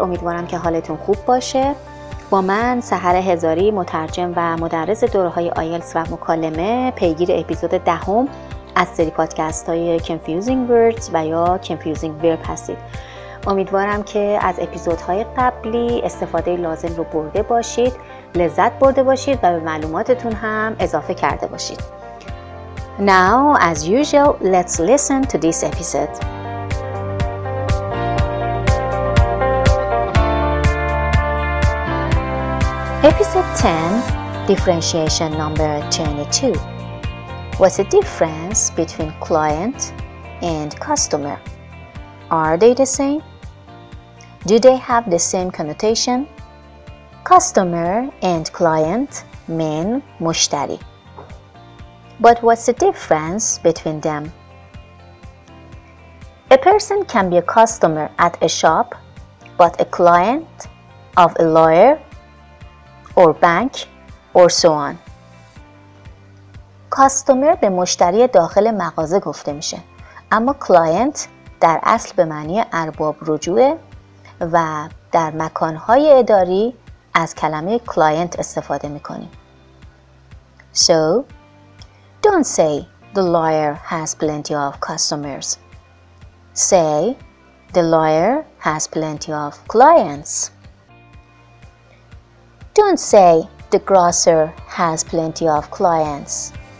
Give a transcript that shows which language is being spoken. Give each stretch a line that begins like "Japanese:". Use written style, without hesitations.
Persian: امیدوارم که حالتون خوب باشه. با من سحر هزاری، مترجم و مدرس دوره‌های آیلتس و مکالمه، پیگیر اپیزود 10 از سری پادکست‌های Confusing Words و یا Confusing Verb هستید. امیدوارم که از اپیزودهای قبلی استفاده لازم رو برده باشید، لذت برده باشید و به معلوماتتون هم اضافه کرده باشید.
English: Now, as usual, let's listen to this episode. Episode 10, differentiation number 22. What's the difference between client and customer? Are they the same? Do they have the same connotation? Customer and client mean
Persian: مشتری.
English: But what's the difference between them? A person can be a customer at a shop, but a client of a lawyer or bank, or so on.
Persian: Customer به مشتری داخل مغازه گفته میشه. اما client در اصل به معنی ارباب رجوعه و در مکانهای اداری از کلمه client استفاده میکنیم.
English: So, don't say the lawyer has plenty of customers. Say, the lawyer has plenty of clients. Don't say the grocer has plenty of clients.